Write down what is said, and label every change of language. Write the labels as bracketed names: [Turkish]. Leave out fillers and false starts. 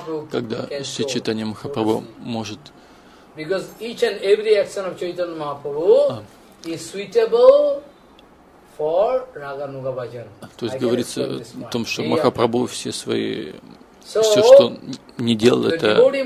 [Russian] Когда Шри Чайтанья Махапрабху может... [English] Because each and every action of Chaitanya Mahaprabhu is suitable for Raganuga Bhajan. [Russian] То есть говорится о том, что Махапрабху все свои... Все, что не делал, это...